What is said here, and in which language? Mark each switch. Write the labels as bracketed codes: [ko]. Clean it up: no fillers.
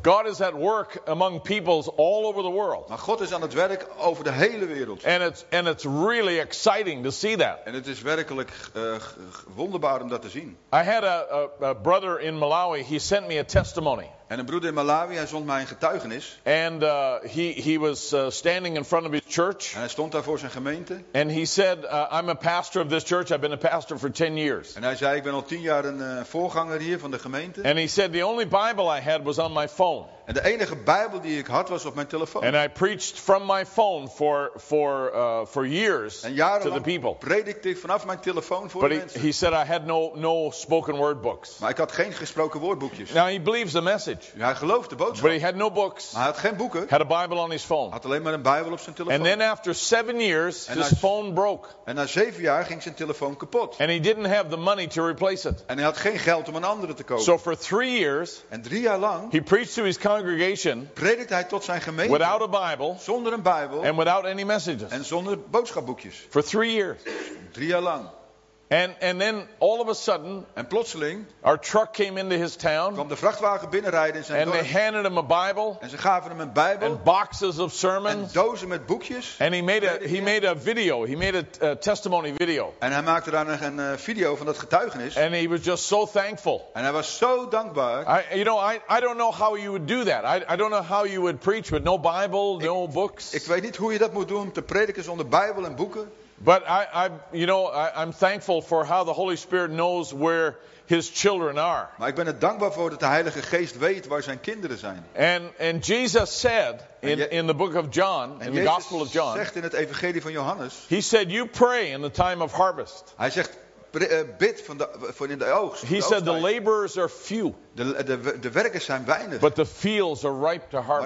[en] God is at work among peoples all over the world. [nl] Maar God is aan het werk over de hele wereld. [en] And it's really exciting to see that. [nl] En het is werkelijk wonderbaar om dat te zien. [en] I had a brother in Malawi. He sent me a testimony. [nl] En een broeder in Malawi, hij zond mij een getuigenis. [en] And he was standing in front of his church. [nl] En hij stond daar voor zijn gemeente. [en] And he said, I'm a pastor of this church. I've been a pastor for 10 years. [nl] En hij zei, ik ben al 10 jaar een voorganger hier van de gemeente. [en] And he said, the only Bible I had was on my phone. [nl] En de enige Bijbel die ik had was op mijn telefoon. [en] And I preached from my phone for years to the people. [nl] En jarenlang predikte ik vanaf mijn telefoon voor de mensen. [en] But he said I had no spoken word books. [nl] Maar ik had geen gesproken woordboekjes. [en] Now he believes the message. [nl] Ja, hij gelooft de boodschap. [en] But he had no books. [nl] Maar hij had geen boeken. [en] Had a Bible on his phone. [nl] Had alleen maar een Bijbel op zijn telefoon. [en] And then after 7 years, his phone broke. [nl] En na 7 jaar ging zijn telefoon kapot. [en] And he didn't have the money to replace it. [nl] En hij had geen geld om een andere te kopen. [en] So for 3 years, [nl] en 3 jaar lang, [en] he preached to his congregation, [nl] predikt hij tot zijn gemeente, [en] without a Bible, [nl] zonder een Bijbel, [en] and without any messages, [nl] en zonder boodschapboekjes, [en] for 3 years, [nl] 3 jaar lang. [en] And then all of a sudden, [nl] en plotseling, [en] our truck came into his town, [nl] kwam de vrachtwagen binnenrijden in zijn dorp, [en] they handed him a Bible, [nl] en ze gaven hem een Bijbel, [en] and boxes of sermons, [nl] en dozen met boekjes, [en] and he made a video, he made a testimony video, [nl] en hij maakte daar nog een video van dat getuigenis, [en] and he was just so thankful, [nl] en hij was zo dankbaar. [en] I don't know how you would do that. I don't know how you would preach with no Bible, no books. [nl] Ik weet niet hoe je dat moet doen om te prediken zonder Bijbel en boeken. [en] But I'm thankful for how the Holy Spirit knows where his children are. [nl] Maar ik ben er dankbaar voor dat de Heilige Geest weet waar zijn kinderen zijn. [en] And Jesus said in the book of John, in the Gospel of John. [nl] Zegt in het Evangelie van Johannes. [en] He said, "You pray in the time of harvest." [nl] Hij zegt, bid voor in de oogst. [en] He said, "The laborers are few." [nl] De werkers zijn weinig. [en] But the fields are ripe to harvest.